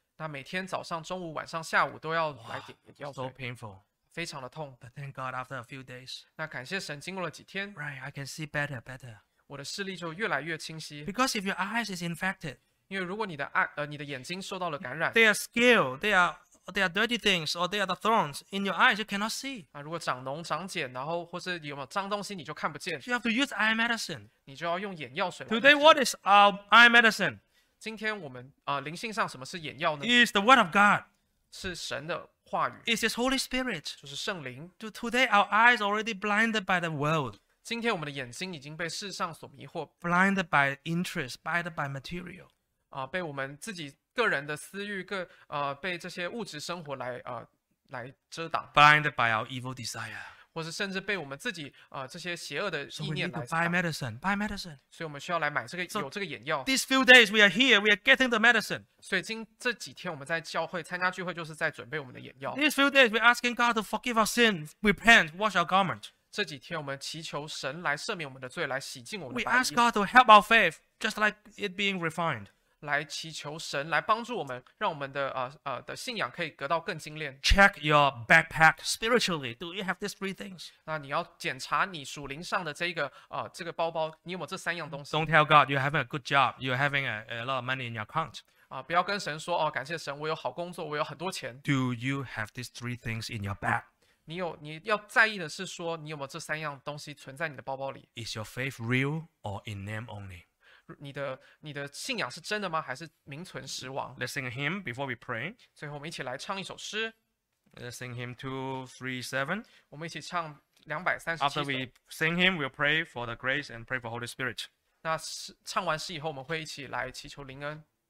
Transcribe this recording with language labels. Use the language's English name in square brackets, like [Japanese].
[Chinese] 那每天早上、中午、晚上、下午都要来点药水。 [English] So painful. [Chinese] 非常的痛。 [English] But thank God, after a few days. [Chinese] 那感谢神，经过了几天。 [English] Right, I can see better. [Chinese] 我的视力就越来越清晰。 [English] Because if your eyes is infected, [Chinese] 因为如果你的眼睛受到了感染 [English] ，they are scale, they are dirty things, or they are the thorns in your eyes, you cannot see. [Chinese] 如果长脓、长茧，然后或是有没有脏东西，你就看不见。 [English] You have to use eye medicine. [Chinese] 你就要用眼药水。 [English] Today, what is our eye medicine? [Chinese] 今天我们灵性上什么是眼药呢 [English] ？Is the word of God. [Chinese] 是神的话语。 [English] Is His Holy Spirit. [Chinese] 就是圣灵。 [English] Today, our eyes already blinded by the world. [Chinese] 今天我们的眼睛已经被世上所迷惑 [English] ，blinded by interest, blinded by material， [Chinese] 被我们自己个人的私欲，被这些物质生活来遮挡 [English] ，blinded by our evil desire， [Chinese] 或是甚至被我们自己这些邪恶的意念来。 [English] So we need to buy medicine， [Chinese] 所以我们需要来买这个有这个眼药。 [English] These few days we are here, we are getting the medicine。 [Chinese] 所以今这几天我们在教会参加聚会，就是在准备我们的眼药。 [English] These few days we are asking God to forgive our sin, repent, wash our garment。 [Chinese] 这几天我们祈求神来赦免我们的罪，来洗净我们的白衣。 [English] We ask God to help our faith, just like it being refined. [Chinese] 来祈求神来帮助我们，让我们的的信仰可以得到更精炼。 [English] Check your backpack spiritually. Do you have these three things? [Chinese] 那你要检查你属灵上的这个这个包包，你有没有这三样东西 [English] ？Don't tell God you're having a good job. You're having a lot of money in your account. [Chinese] 不要跟神说哦，感谢神，我有好工作，我有很多钱。 [English] Do you have these three things in your bag? [Chinese] 你要在意的是说你有没有这三样东西存在你的包包里。 [English] Is your faith real or in name only? [Chinese] 你的信仰是真的吗？还是名存实亡？ [English] Let's sing a hymn before we pray. [Chinese] 最后我们一起来唱一首诗。 [English] Let's sing hymn 237. [Chinese] 我们一起唱237。 [English] After we sing hymn, we'll pray for the grace and pray for Holy Spirit. [Chinese] 那唱完诗以后，我们会一起来祈求灵恩。